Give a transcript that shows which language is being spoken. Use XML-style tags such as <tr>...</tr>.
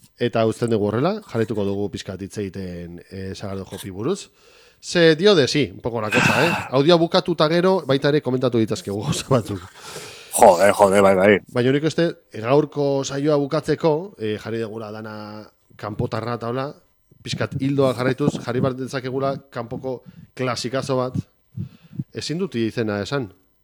<eu>Eta uzten dugu horrela, jarraituko dugu pizkat hitz egiten Sagardo Jopi buruz.</eu> <es>Se dio de sí, un poco la cosa, ¿eh?</es> <eu>Audio bukatuta gero, baita ere komentatu ditazkegu gauza batzuk.</eu> <es>Joder,</es> <eu>bai. Baina horiek este, gaurko saioa bukatzeko, jarri degula dana kanpotarra eta hola, pizkat hildoa jarraituz, jarri bat dezakegula kanpoko klasikazo bat. Ezin dut izena esan.</eu>